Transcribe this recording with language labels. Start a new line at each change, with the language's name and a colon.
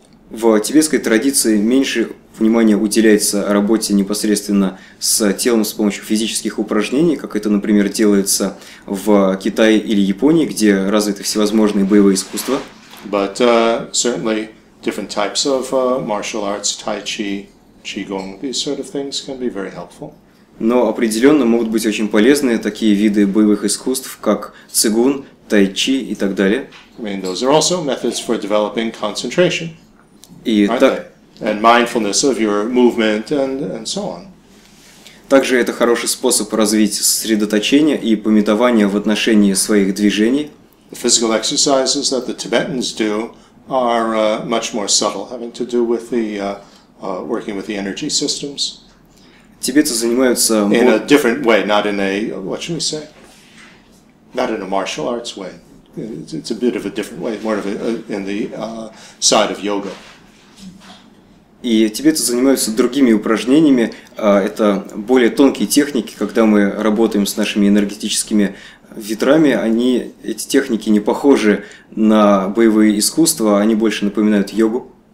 Russian: В тибетской традиции меньше внимание уделяется работе непосредственно с телом с помощью физических упражнений, как это, например, делается в Китае или Японии, где развиты всевозможные боевые искусства.
English: But certainly different types of martial arts, tai chi, qigong, these sort of things can be very helpful.
Russian: Но определенно могут быть очень полезны такие виды боевых искусств, как цигун, тай-чи и так далее.
English: I mean, those are also methods for developing concentration, aren't they? And mindfulness of your movement and so on.
Russian: Также это хороший способ развить сосредоточение и памятование в отношении своих движений.
English: The physical exercises that the Tibetans do are much more subtle, having to do with the working with the energy systems.
Russian: Тибетцы занимаются...
English: In a different way, not in a, what should we say? Not in a martial arts way. It's a bit of a different way, more of a, in the side of yoga.
Russian: И тибетцы занимаются другими упражнениями. Это более тонкие техники, когда мы работаем с нашими энергетическими ветрами. Они, эти техники не похожи на боевые искусства, они больше напоминают йогу.